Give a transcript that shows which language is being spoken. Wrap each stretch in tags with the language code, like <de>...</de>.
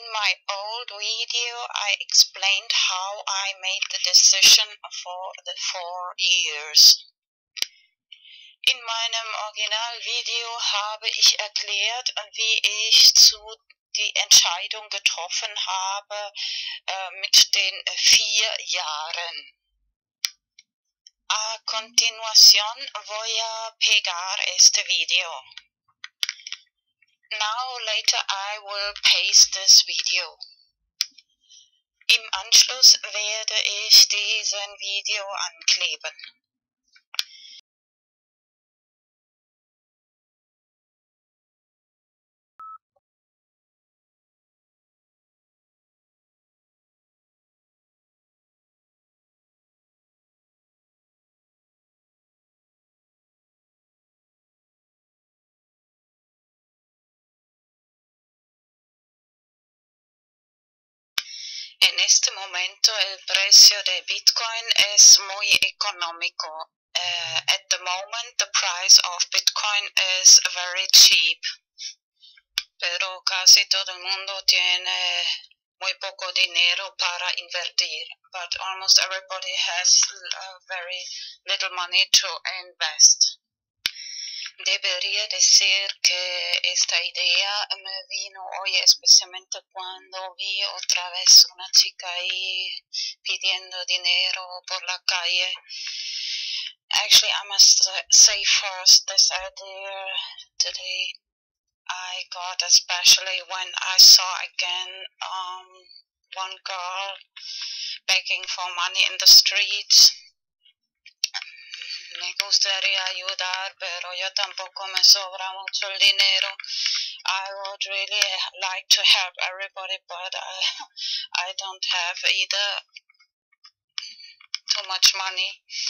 <en>in my old video, I explained how I made the decision for the 4 years.</en> <de>In meinem Originalvideo habe ich erklärt, wie ich zu die Entscheidung getroffen habe mit den 4 Jahren.</de> <es>A continuación voy a pegar este video.</es> <en>Now later I will paste this video.</en> <de>Im Anschluss werde ich diesen Video ankleben.</de> <es>En este momento el precio de Bitcoin es muy económico.</es> <en>At the moment the price of Bitcoin is very cheap.</en> <es>Pero casi todo el mundo tiene muy poco dinero para invertir.</es> <en>But almost everybody has very little money to invest.</en> <es>Debería decir que esta idea me vino hoy especialmente cuando vi otra vez una chica ahí pidiendo dinero por la calle.</es> <en>Actually, I must say first this idea today I got, especially when I saw again one girl begging for money in the streets.</en> <es>Me gustaría ayudar, pero yo tampoco me sobra mucho el dinero.</es> <en>I would really like to help everybody, but I don't have either too much money.</en>